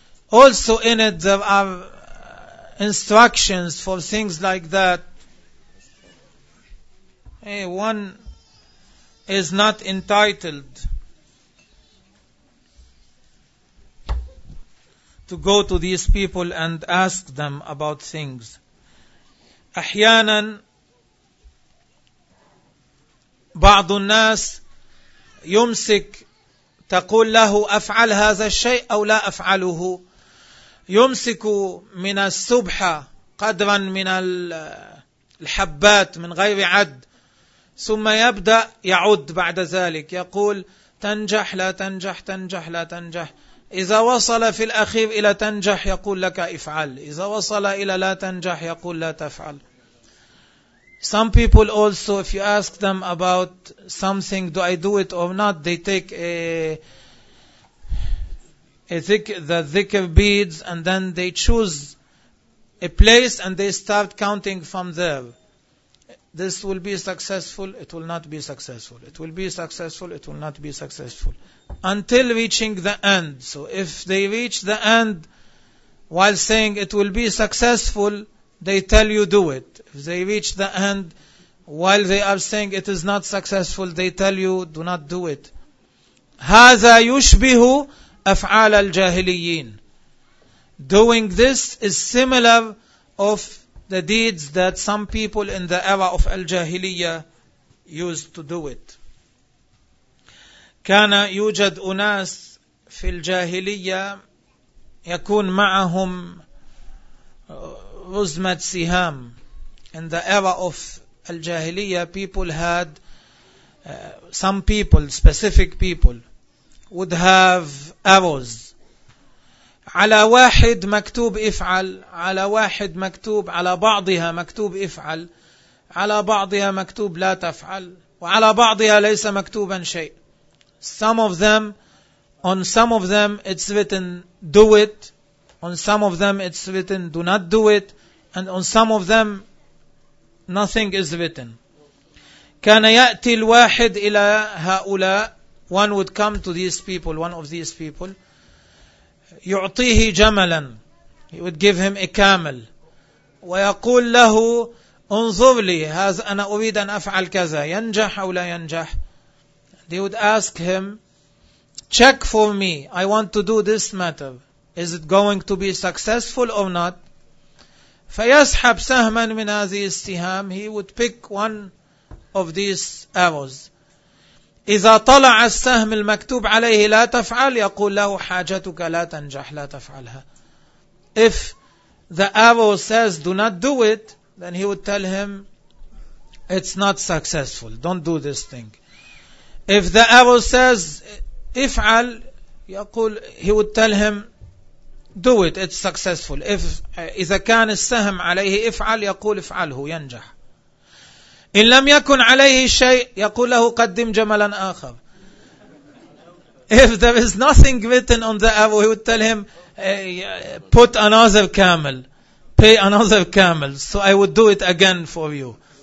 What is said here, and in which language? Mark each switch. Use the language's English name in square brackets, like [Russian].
[English] Also in it, there are instructions for things like that. Hey, one is not entitled to go to these people and ask them about things. [Arabic] أحيانا بعض الناس يمسك تقول له أفعل هذا الشيء أو لا أفعله. يمسك من السبحة قدرا من الحبات من غير عد. ثم يبدأ يعد بعد ذلك يقول تنجح لا تنجح تنجح لا تنجح. إذا وصل في الأخير إلى تنجح يقول لك افعل. إذا وصل إلى لا تنجح يقول لا تفعل. [English] Some people also, if you ask them about something, do I do it or not, they take the dhikr beads and then they choose a place and they start counting from there. This will be successful, it will not be successful. It will be successful, it will not be successful. Until reaching the end. So if they reach the end while saying it will be successful, they tell you do it. If they reach the end while they are saying it is not successful, they tell you do not do it. [Arabic] هذا يشبه أفعال الجاهليين. [English] Doing this is similar of the deeds that some people in the era of Al-Jahiliyyah used to do it. [Arabic] كان يوجد أناس في الجاهلية يكون معهم رزمة سهام. [English] In the era of Al-Jahiliyyah, people had some people, specific people, would have arrows. [Arabic] على واحد مكتوب افعل, على واحد مكتوب, على بعضها مكتوب افعل, على بعضها مكتوب لا تفعل, وعلى بعضها ليس مكتوبا شيء. [English] Some of them, on some of them it's written do it, on some of them it's written do not do it, and on some of them nothing is written. [Arabic] كان يأتي الواحد إلى هؤلاء, [English] one would come to these people, [Arabic] one of these people, يعطيه جملا, [English] he would give him a camel, [Arabic] ويقول له انظر لي هذا أنا أريد أن أفعل كذا, ينجح أو لا ينجح. [English] They would ask him, check for me, I want to do this matter, is it going to be successful or not? [Arabic] فيسحب سهما من هذه السهام, [English] he would pick one of these arrows. [Arabic] إذا طلع السهم المكتوب عليه لا تفعل, يقول له حاجتك لا تنجح, لا تفعلها. [English] If the arrow says do not do it, then he would tell him it's not successful, don't do this thing. If the arrow says [Arabic] افعل, يقول, [English] he would tell him do it, it's successful. If [Arabic] إذا كان السهم عليه افعل, يقول افعله ينجح. إن لم يكن عليه شيء, يقول له قدم جملا آخر. [English] If there is nothing written on the arrow, he would tell him put another camel, pay another camel, so I would do it again for you.